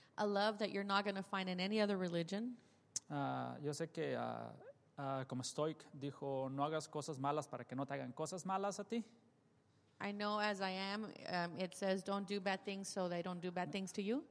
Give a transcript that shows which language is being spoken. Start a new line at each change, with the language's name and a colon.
English: A love that you're not going to find in any other religion.
Spanish: Yo sé que como Stoic dijo, no hagas cosas malas para que no te hagan cosas malas a ti.
English: I know as I am, it says don't do bad things so they don't do bad things to you.